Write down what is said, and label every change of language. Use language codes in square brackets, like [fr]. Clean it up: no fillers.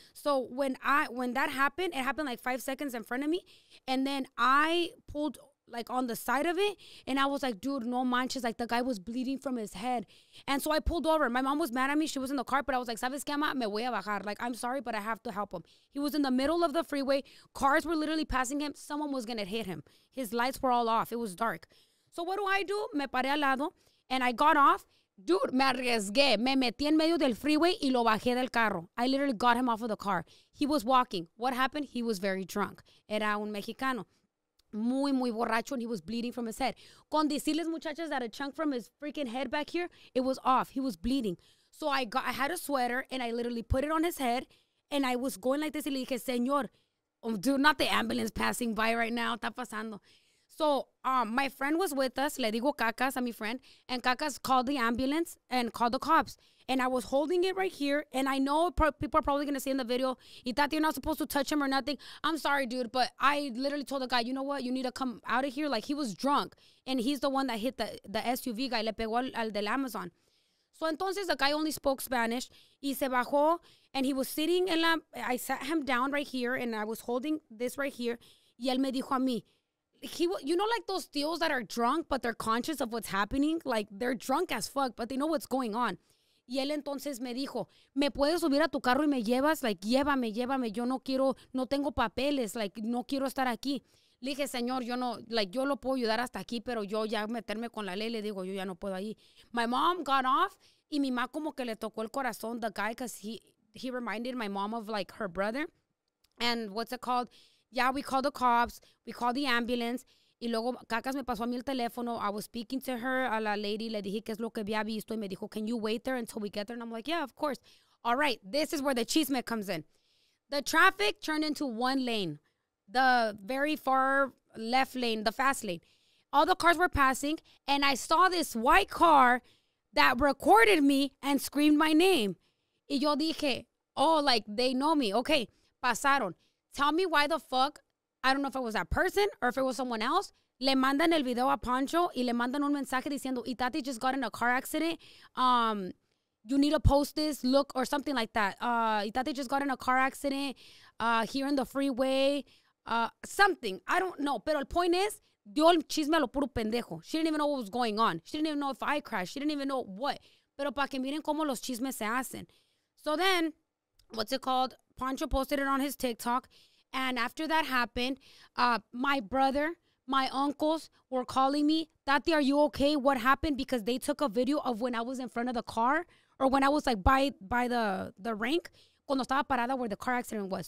[en] So when that happened, it happened like 5 seconds in front of me, and then I pulled like on the side of it, and I was like, dude, [es] no manches, [en] like the guy was bleeding from his head. And so I pulled over. My mom was mad at me. She was in the car, but I was like, [es] ¿sabes qué, ma? Me voy a bajar. [en] Like, I'm sorry, but I have to help him. He was in the middle of the freeway. Cars were literally passing him. Someone was going to hit him. His lights were all off. It was dark. So what do? [es] Me paré al lado, [en] and I got off. [es] Dude, me arriesgué. Me metí en medio del freeway y lo bajé del carro. [en] I literally got him off of the car. He was walking. What happened? He was very drunk. [es] Era un mexicano. Muy, muy borracho, [en] and he was bleeding from his head. [es] Con decirles, muchachas, [en] that a chunk from his freaking head back here, it was off. He was bleeding. So I had a sweater, and I literally put it on his head, and I was going like this, and [es] le dije, señor, [en] oh, dude, not the ambulance passing by right now. [es] Está pasando. [en] So my friend was with us. [es] Le digo Cacas a mi [en] friend, and Cacas called the ambulance and called the cops. And I was holding it right here, and I know people are probably going to see in the video, y tati, you're not supposed to touch him or nothing. I'm sorry, dude, but I literally told the guy, you know what? You need to come out of here. Like, he was drunk, and he's the one that hit the SUV guy. [es] Le pegó al del Amazon. So entonces, [en] the guy only spoke Spanish. [es] Y se bajó, [en] and he was sitting in I sat him down right here, and I was holding this right here. [es] Y él me dijo a mí, [en] you know, like those tíos that are drunk, but they're conscious of what's happening? Like, they're drunk as fuck, but they know what's going on. [es] Y él entonces me dijo, ¿me puedes subir a tu carro y me llevas? Like, llévame, llévame. Yo no quiero, no tengo papeles. Like, no quiero estar aquí. Le dije, señor, yo no, like, yo lo puedo ayudar hasta aquí, pero yo ya meterme con la ley, le digo, yo ya no puedo ahí. [en] My mom got off, [es] y mi mamá como que le tocó el corazón, [en] the guy, because he reminded my mom of, like, her brother. And what's it called? Yeah, we called the cops. We called the ambulance. [es] Y luego Cacas me pasó a mí el teléfono. [en] I was speaking to her, [es] a la lady. Le dije, ¿qué es lo que había visto? Y me dijo, [en] can you wait there until we get there? And I'm like, yeah, of course. All right, this is where the chisme comes in. The traffic turned into one lane. The very far left lane, the fast lane. All the cars were passing. And I saw this white car that recorded me and screamed my name. [es] Y yo dije, [en] oh, like, they know me. Okay, pasaron. Tell me why the fuck. I don't know if it was that person or if it was someone else. [es] Le mandan el video a Pancho y le mandan un mensaje diciendo, [en] Itati just got in a car accident. You need to post this, look, or something like that. Itati just got in a car accident here in the freeway. Something. I don't know. [es] Pero el point is, dio el chisme a lo puro pendejo. [en] She didn't even know what was going on. She didn't even know if I crashed. She didn't even know what. [es] Pero para que miren cómo los chismes se hacen. [en] So then, what's it called? Pancho posted it on his TikTok. And after that happened, my brother, my uncles were calling me, Tati, are you okay? What happened? Because they took a video of when I was in front of the car or when I was like by the rink, [es] cuando estaba parada [en] where the car accident was.